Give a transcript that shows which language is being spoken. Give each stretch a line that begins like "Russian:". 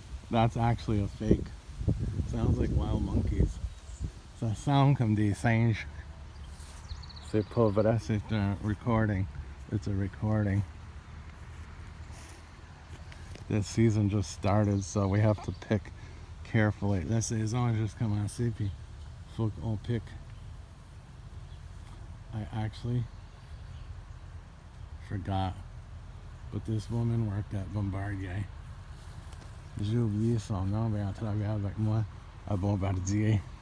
English: That's actually a fake. Sounds like wild monkeys. The sound comes from the singe.
French: C'est pauvre, c'est un
English: recording. It's a recording. This season just started, so we have to pick carefully.
French: La saison just commencé, puis faut qu'on pick.
English: I actually forgot, but this woman worked at Bombardier.
French: J'ai oublié son nom, mais elle travaille avec moi à Bombardier.